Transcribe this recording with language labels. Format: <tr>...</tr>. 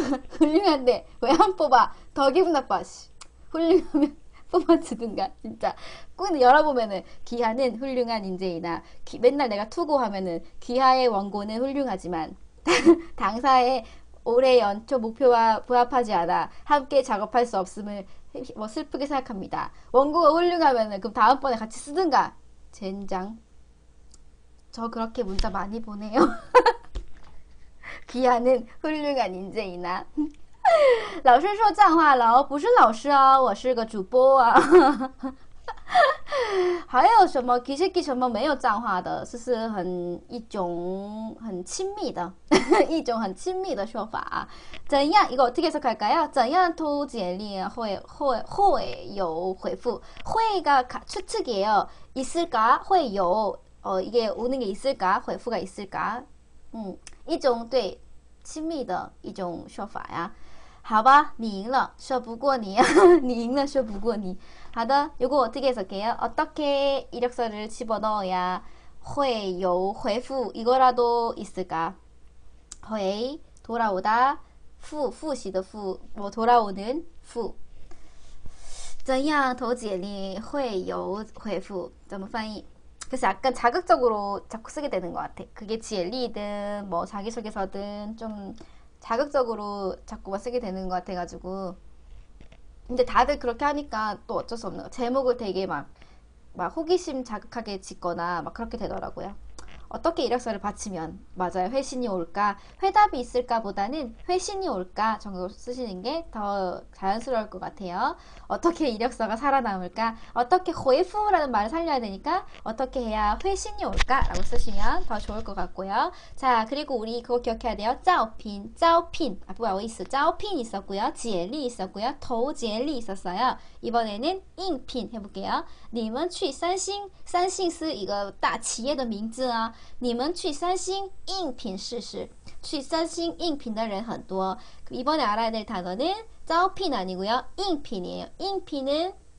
<ko>훌륭한데 왜안 뽑아 더 기분 나빠 씨 훌륭하면 뽑아주든가 진짜 꾸 열어보면은 귀하는 훌륭한 인재이나 맨날 내가 투고하면은 귀하의 원고는 훌륭하지만 당사의 올해 연초 목표와 부합하지 않아 함께 작업할 수 없음을 뭐 슬프게 생각합니다. 원고가 훌륭하면은 그럼 다음번에 같이 쓰든가 젠장 저 그렇게 문자 많이 보내요. 귀하는 훌륭한 인재이나</ko> <zh>老师说脏话了，不是老师啊，我是个主播啊。还有什么？其实什么没有脏话的，这是一种很亲密的说法啊。怎样？</zh> <ko>이거어떻게해석할까요？</ko> <zh>怎样投简历会有回复？</zh> <ko>会가추측이에요，있을까？</ko> <zh>会有</zh> <ko>이게오는게있을까？回复가있을까？</ko> <zh>一种对亲密的一种说法呀。好吧，你赢了，说不过你，你赢了，说不过你。好的，</zh> <ko>이거어떻게해석해요？ 어떻게이력서를집어넣어야회요회후이거라도있을까？ 회돌아오다후후시的후뭐돌아오는후</ko> <zh>怎样投简历会有回复？怎么翻译？</zh> <ko>그래서 약간 자극적으로 자꾸 쓰게 되는 것 같아. 그게 简历든 뭐 자기소개서든 좀 자극적으로 자꾸만 쓰게 되는 것 같아가지고. 근데 다들 그렇게 하니까 또 어쩔 수 없는 거야. 제목을 되게 막 호기심 자극하게 짓거나 막 그렇게 되더라고요. 어떻게 이력서를 받치면 맞아요. 회신이 올까? 회답이 있을까 보다는 회신이 올까? 정도 쓰시는 게더 자연스러울 것 같아요. 어떻게 이력서가 살아남을까? 어떻게 회후라는 말을 살려야 되니까? 어떻게 해야 회신이 올까? 라고 쓰시면 더 좋을 것 같고요. 자, 그리고 우리 그거 기억해야 돼요. 짜오핀, 짜오핀. 아, 뭐야, 어딨어? 짜오핀 있었고요. 지엘리 있었고요. 도지엘리 있었어요. 이번에는 잉핀 해볼게요. 님은 취 삼싱? 삼싱스 이거 다 지엘의</ko> <zh>名字啊. 你们去三星应聘试试。去三星应聘的人很多。</zh> <ko>이번에알아야될단어는招聘아니고요，应聘이에요。</ko>